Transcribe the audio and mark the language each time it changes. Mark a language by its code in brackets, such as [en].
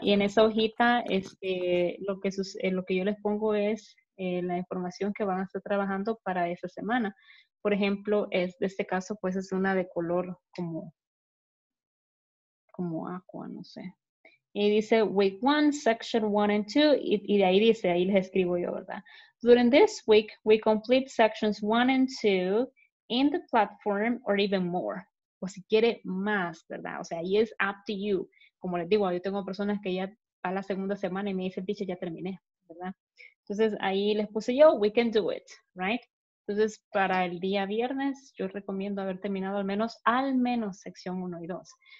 [es] Y en esa hojita lo que yo les pongo es la información que van a estar trabajando para esa semana. Por ejemplo, este caso pues es una de color como aqua, no sé. Y dice, [en] week 1, section 1 and 2, [es] y de ahí dice, ahí les escribo yo, ¿verdad? [en] During this week, we complete sections 1 and 2 in the platform or even more. [es] O si quiere más, ¿verdad? O sea, ahí es [en] up to you. [es] Como les digo, yo tengo personas que ya a la segunda semana y me dicen, dice, ya terminé, ¿verdad? Entonces, ahí les puse yo, [en] we can do it, right? [es] Entonces, para el día viernes, yo recomiendo haber terminado al menos sección 1 y 2.